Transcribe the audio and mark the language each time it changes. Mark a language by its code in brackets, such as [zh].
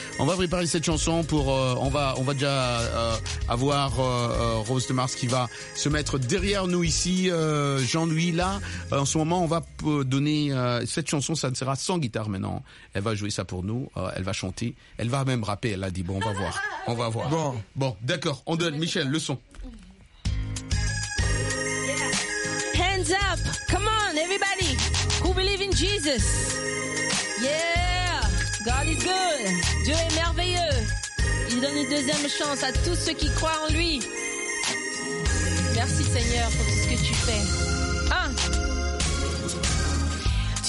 [fr] On va préparer cette chanson pour on va déjà avoir Rose de Mars qui va se mettre derrière nous ici, Jean-Louis là. En ce moment, on va donner cette chanson, ça sera sans guitare maintenant. Elle va jouer ça pour nous, elle va chanter, elle va même rapper, elle a dit. Bon, on va voir. Bon, d'accord. On donne Michel le son. [en] Hands up, come on everybody who believe in Jesus. Yeah, God is good. [fr] Dieu est merveilleux. Il donne une deuxième chance à tous ceux qui croient en lui. Merci Seigneur pour tout ce que tu fais.